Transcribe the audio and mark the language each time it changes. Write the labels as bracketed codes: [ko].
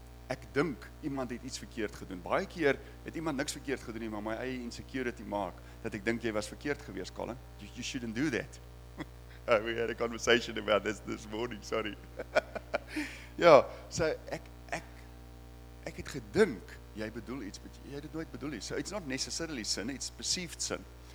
[af] Ek dink iemand het iets verkeerd gedoen. Baie keer het iemand niks verkeerd gedoen nie, maar my eie insecurity maak dat ek dink jy was verkeerd gewees, Colin. [en] You shouldn't do that. We had a conversation about this morning, sorry. [af] Ja, so ek het gedink jy bedoel iets, but jy het dit nooit bedoel nie. [en] So it's not necessarily sin, it's perceived sin.